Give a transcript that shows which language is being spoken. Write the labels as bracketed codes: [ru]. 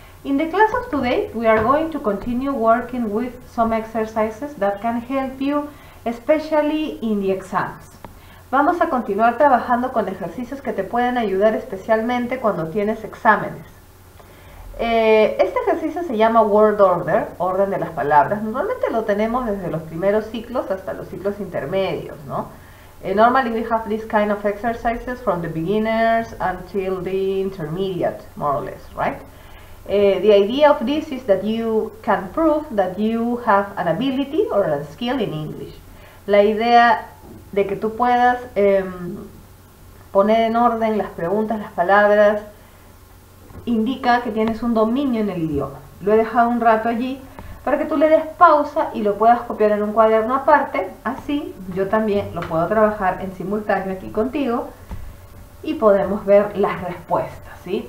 [en] In the class of today, we are going to continue working with some exercises that can help you, especially in the exams. [es] Vamos a continuar trabajando con ejercicios que te pueden ayudar especialmente cuando tienes exámenes. Este ejercicio se llama Word Order, orden de las palabras. Normalmente lo tenemos desde los primeros ciclos hasta los ciclos intermedios, ¿no? [en] Normally we have this kind of exercises from the beginners until the intermediate, more or less, right? The idea of this is that you can prove that you have an ability or a skill in English. [es] La idea de que tú puedas poner en orden las preguntas, las palabras, indica que tienes un dominio en el idioma. Lo he dejado un rato allí para que tú le des pausa y lo puedas copiar en un cuaderno aparte, así yo también lo puedo trabajar en simultáneo aquí contigo y podemos ver las respuestas, ¿sí?